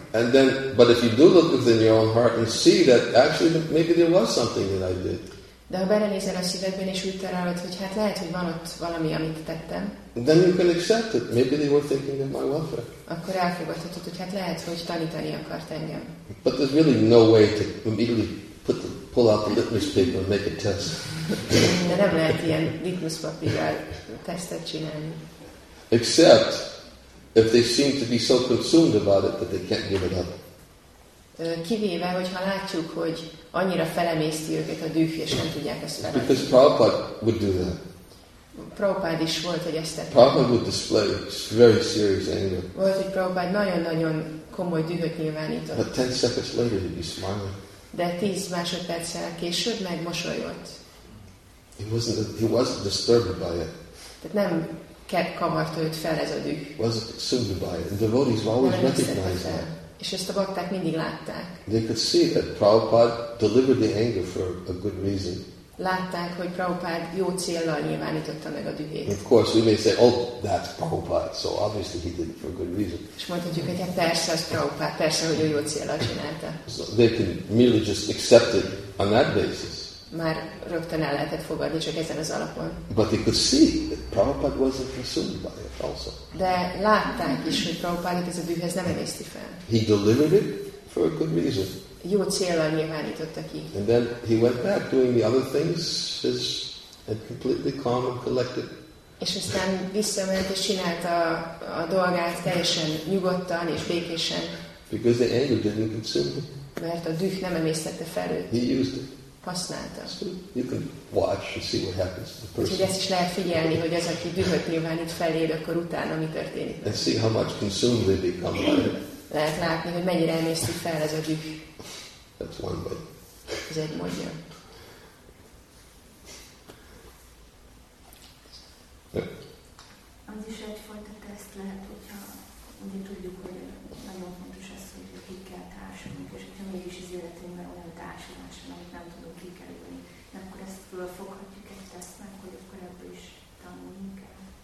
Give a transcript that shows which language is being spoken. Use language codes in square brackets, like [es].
[en] And then, but if you do look within your own heart and see that actually maybe there was something that I did. [hu] De ha belenézel a szívedben, és úgy találod, hogy hát lehet, hogy van ott valami, amit tettem. [en] Then you can accept it. Maybe they were thinking of my welfare. [hu] Akkor elfogadhatod, hogy hát lehet, hogy tanítani akart engem. [en] But there's really no way to immediately pull out the litmus paper and make a test. [hu] De nem lehet ilyen litmus papírral tesztet csinálni. [en] Except if they seem to be so consumed about it that they can't give it up. [hu] Kivéve, hogyha látjuk, hogy annyira felemészti őket a düh, és nem tudják ezt feladni. [en] Because Prabhupada would do that. [hu] Prabhupada is volt, hogy ezt tette. [en] Prabhupada would display very serious anger. [hu] Volt, hogy Prabhupada nagyon-nagyon komoly dühöt nyilvánított. [en] But 10 seconds later he'd be smiling. [hu] De 10 másodperccel később megmosolyott. [en] He wasn't disturbed by it. [hu] Tehát nem kavart őt fel ez a düh. [en] He wasn't consumed by it. And devotees always recognize that. [hu] És ezt a bakták mindig látták. [en] They could see that Prabhupada delivered the anger for a good reason. [hu] Látták, hogy Prabhupada jó céllal nyilvánította meg a dühét. [en] Of course, we may say, oh, that's Prabhupada, so obviously he did it for a good reason. [hu] És mondhatjuk, hogy persze, az Prabhupada, persze, hogy ő jó céllal csinálta. [en] So they can merely just accept it on that basis. [hu] Már rögtön el lehetett fogadni, csak ezen az alapon. [en] But they could see that Prabhupada wasn't consumed by it also. [hu] De látták is, hogy Prabhupada ez a dühhez nem emészti fel. [en] He delivered it for a good reason. [hu] jó céllal nyilvánította ki. [en] And then he went back doing the other things, just completely calm and collected. [hu] És aztán visszament és csinálta a dolgát teljesen nyugodtan és békésen. [en] Because the anger didn't consume him. [hu] Mert a düh nem emésztette fel őt. [en] He used it. [hu] Használta. [en] You can watch and see what happens to the person. [hu] Úgyhogy ezt is lehet figyelni, hogy az, aki dühöt nyilvánít feléd, akkor utána mi történik. [en] And see how much consumed they become by it. [hu] Lehet látni, hogy mennyire emészti fel ez a düh. [en] That's one way. [hu] Ez egy módja. Az is egyfajta teszt lehet, hogyha ugye tudjuk, hogy nagyon fontos az, hogy kikkel társulunk, és hogyha mégis az életünkben olyan társulás van, amit nem tudunk kikerülni, akkor ezt fölfoghatjuk egy tesztnek, hogy akkor ebből is tanulnunk el.